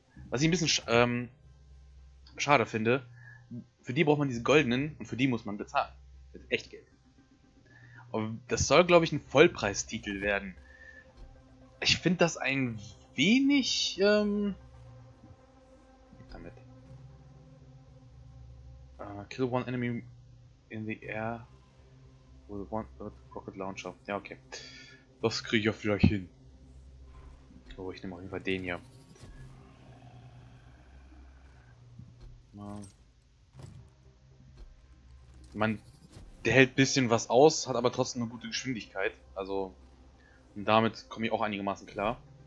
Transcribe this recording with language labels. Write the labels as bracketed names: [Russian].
[German] Was ich ein bisschen schade finde. Für die braucht man diese goldenen und für die muss man bezahlen. Mit Echtgeld. Aber das soll, glaube ich, ein Vollpreistitel werden. Ich finde das ein wenig damit. [English] Kill one enemy in the air with one rocket launcher. [German] Ja, okay. Das kriege ich auch vielleicht hin. Oh, ich nehme auf jeden Fall den hier. Man, der hält ein bisschen was aus, hat aber trotzdem eine gute Geschwindigkeit. Also, und damit komme ich auch einigermaßen klar.